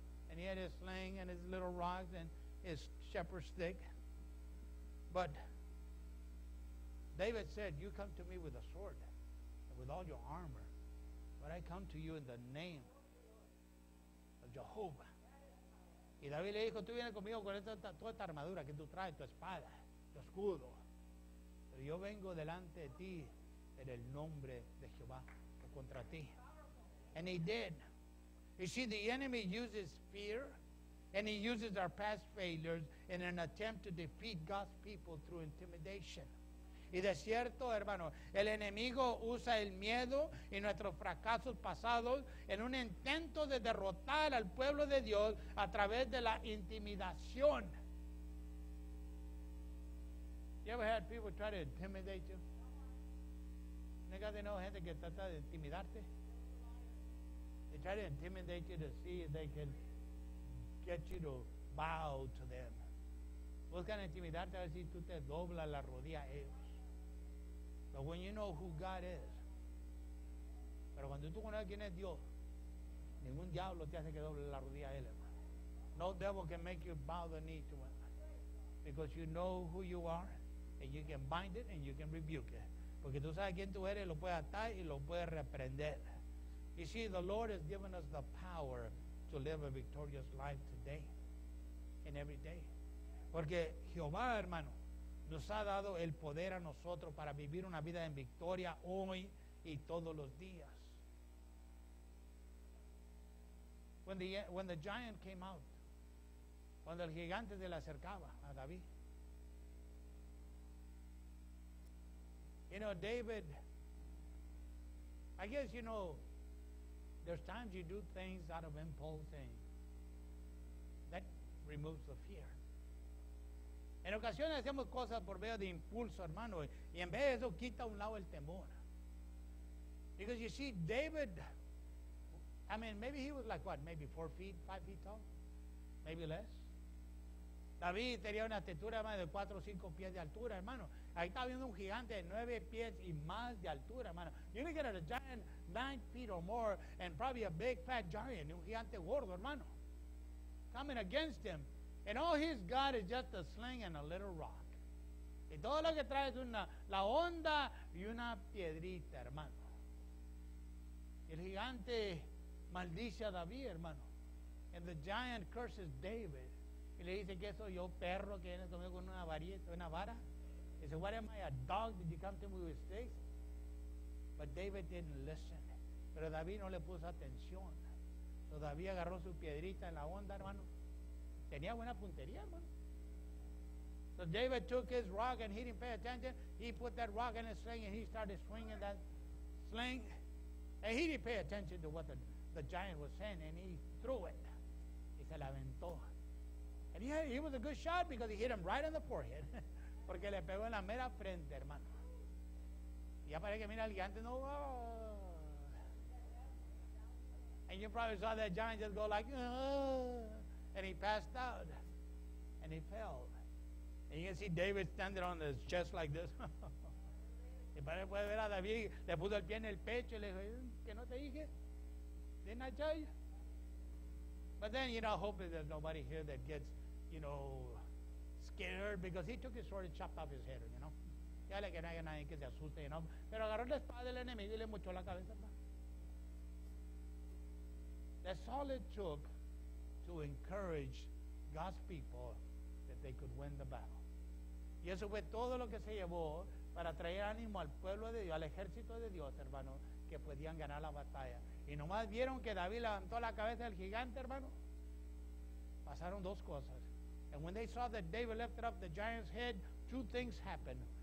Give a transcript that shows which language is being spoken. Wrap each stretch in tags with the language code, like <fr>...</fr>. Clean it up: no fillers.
<en>And he had his sling and his little rocks and his shepherd's stick. But David said, you come to me with a sword and with all your armor, but I come to you in the name of Jehovah.</en> <es>Y David le dijo, tú vienes conmigo con toda esta armadura que tú traes, tu espada, tu escudo. Pero yo vengo delante de ti en el nombre de Jehová contra ti.</es> <en>And he did. You see, the enemy uses fear and he uses our past failures in an attempt to defeat God's people through intimidation.</en> <es>Y de cierto, hermano, el enemigo usa el miedo y nuestros fracasos pasados en un intento de derrotar al pueblo de Dios a través de la intimidación.</es> <en>You ever had people try to intimidate you?</en> <es>¿Nunca has tenido gente que trata de intimidarte?</es> <en>They try to intimidate you to see if they can get you to bow to them.</en> <es>Buscan intimidarte a ver si tú te doblas la rodilla a ellos.</es> <en>But when you know who God is,</en> <es>pero cuando tú conoces quién es Dios, ningún diablo te hace que doble la rodilla a él, hermano.</es> <en>No devil can make you bow the knee to him. Because you know who you are, and you can bind it, and you can rebuke it.</en> <es>Porque tú sabes quién tú eres, lo puedes atar y lo puedes reprender.</es> <en>You see, the Lord has given us the power to live a victorious life today and every day.</en> <es>Porque Jehová, hermano, nos ha dado el poder a nosotros para vivir una vida en victoria hoy y todos los días.</es> <en>When the giant came out,</en> <es>cuando el gigante se le acercaba a David,</es> <en>You know, David, I guess, you know, there's times you do things out of impulse and that removes the fear.</en> <es>En ocasiones hacemos cosas por medio de impulso, hermano, y en vez de eso quita un lado el temor.</es> <en>Because you see, David, I mean, maybe he was like, what, maybe 4 feet, 5 feet tall? Maybe less?</en> <es>David tenía una estatura más de 4 o 5 pies de altura, hermano. Ahí estaba viendo un gigante de 9 pies y más de altura, hermano.</es> <en>You're looking at a giant 9 feet or more and probably a big fat giant,</en> <es>un gigante gordo, hermano,</es> <en>coming against him. And all he's got is just a sling and a little rock.</en> <es>Y todo lo que trae es una, la onda y una piedrita, hermano. El gigante maldice a David, hermano.</es> <en>And the giant curses David.</en> <es>Y le dice que soy yo, perro, que viene conmigo con una varita, una vara.</es> <en>He said, what am I, a dog? Did you come to me with sticks? But David didn't listen.</en> <es>Pero David no le puso atención. Todavía agarró su piedrita en la onda, hermano. Tenía buena puntería, hermano.</es> <en>So David took his rock and he didn't pay attention. He put that rock in his sling and he started swinging that sling. And he didn't pay attention to what the giant was saying. And he threw it.</en> <es>Y se la aventó.</es> <en>And he was a good shot because he hit him right in the forehead.</en> <es>Porque le pegó en la mera frente, hermano. Y ya parece que mira al gigante, no. Oh.</es> <en>And you probably saw that giant just go like, oh. And he passed out. And he fell. And you can see David standing on his chest like this.</en> <es>Y parece puede ver a David, le puso el pie en el pecho y le dijo, ¿qué no te dije?</es> <en>Didn't I tell you? But then, you know, hopefully there's nobody here that gets, you know, scared, because he took his sword and chopped off his head, you know.</en> <es>Ya le que no haya nadie que se asuste, you know. Pero agarró la espada del enemigo y le mochó la cabeza.</es> <en>That's all it took to encourage God's people that they could win the battle.</en> <es>Y eso fue todo lo que se llevó para traer ánimo al pueblo de Dios, al ejército de Dios, hermano, que podían ganar la batalla. Y nomás vieron que David levantó la cabeza del gigante, hermano. Pasaron dos cosas.</es> <en>And when they saw that David lifted up the giant's head, 2 things happened.</en>